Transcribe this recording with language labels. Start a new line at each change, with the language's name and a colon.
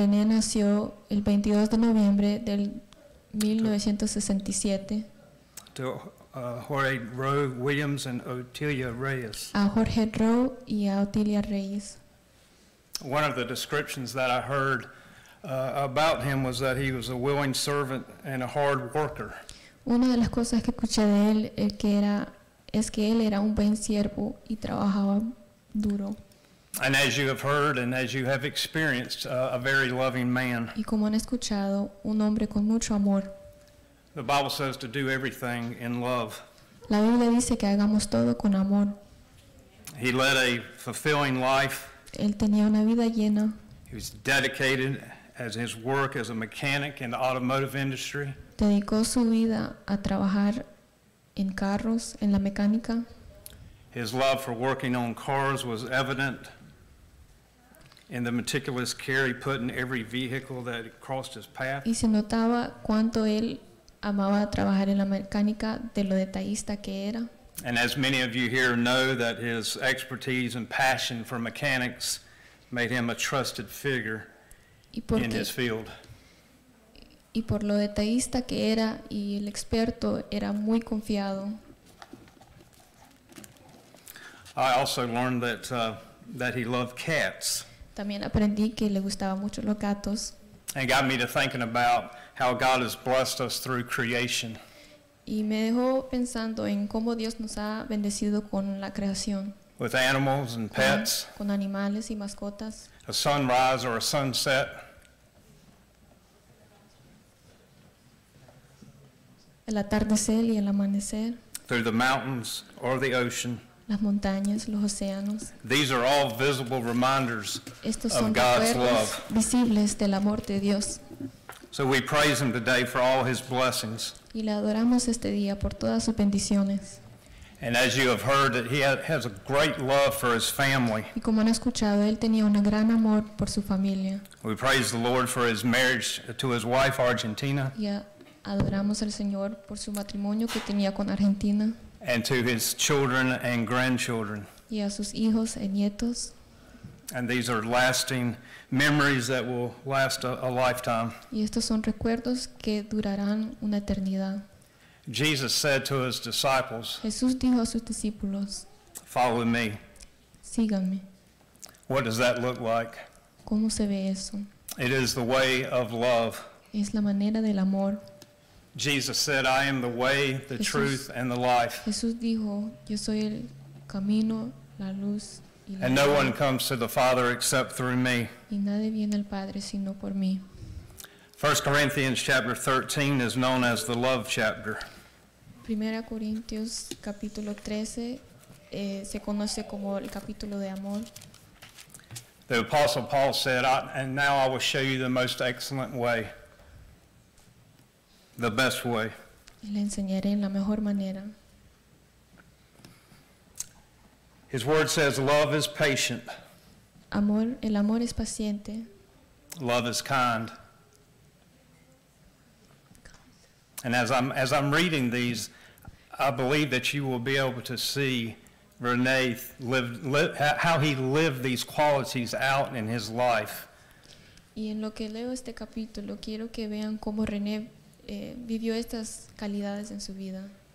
Spanish: Renee nació el 22 de noviembre del 1967.
English: To Jorge Rowe Williams and Otilia Reyes.
Spanish: A Jorge Rowe y a Otilia Reyes.
English: One of the descriptions that I heard about him was that he was a willing servant and a hard worker.
Spanish: Una de las cosas que escuché de él es que él era un buen siervo y trabajaba duro.
English: And as you have heard and as you have experienced, a very loving man.
Spanish: Y como han escuchado, un hombre con mucho amor.
English: The Bible says to do everything in love.
Spanish: La Biblia dice que hagamos todo con amor.
English: He led a fulfilling life.
Spanish: Él tenía una vida llena.
English: He was dedicated as his work as a mechanic in the automotive industry.
Spanish: Dedicó su vida a trabajar en carros, en la mecánica.
English: His love for working on cars was evident in the meticulous care he put in every vehicle that crossed his path.
Spanish: Y se notaba cuánto él amaba trabajar en la mecánica, de lo detallista que era.
English: And as many of you here know, that his expertise and passion for mechanics made him a trusted figure in his field.
Spanish: Y por lo detallista que era y el experto, era muy confiado.
English: I also learned that that he loved cats.
Spanish: También aprendí que le gustaba mucho los gatos.
English: And got me to thinking about how God has blessed us through creation.
Spanish: Y me dejó pensando en cómo Dios nos ha bendecido con la creación.
English: With animals and pets.
Spanish: Con animales y mascotas.
English: A sunrise or a sunset.
Spanish: El atardecer y el amanecer.
English: Through the mountains or the ocean.
Spanish: Las montañas, los océanos.
English: These are all visible reminders
Spanish: estos
English: of God's love.
Spanish: Visibles del amor de Dios.
English: So we praise him today for all his blessings.
Spanish: Y le adoramos este día por todas sus bendiciones.
English: And as you have heard, that he has a great love for his family.
Spanish: Y como han escuchado, él tenía un gran amor por su familia.
English: We praise the Lord for his marriage to his wife, Argentina.
Spanish: Adoramos al Señor por su matrimonio que tenía con Argentina.
English: And to his children and grandchildren.
Spanish: Y a sus hijos y nietos.
English: And these are lasting memories that will last a lifetime.
Spanish: Y estos son recuerdos que durarán una eternidad.
English: Jesus said to his disciples.
Spanish: Jesús dijo a sus discípulos.
English: Follow me.
Spanish: Síganme.
English: What does that look like?
Spanish: ¿Cómo se ve eso?
English: It is the way of love.
Spanish: Es la manera del amor.
English: Jesus said, I am the way, the truth, and the life.
Spanish: Jesús dijo, yo soy el camino, la luz, y la
English: and no one comes to the Father except through me.
Spanish: Y nadie viene al Padre sino por mí.
English: 1 Corinthians chapter 13 is known as the love chapter.
Spanish: Primera Corintios capítulo 13 se conoce como el capítulo de amor.
English: The Apostle Paul said, and now I will show you the most excellent way. The best way.
Spanish: Y le enseñaré en la mejor manera.
English: His word says, love is patient.
Spanish: Amor, el amor es paciente.
English: Love is kind. And as I'm reading these, I believe that you will be able to see Rene how he lived these qualities out in his life.
Spanish: Y en lo que leo este capítulo, quiero que vean cómo Rene vivió estas calidades en su vida.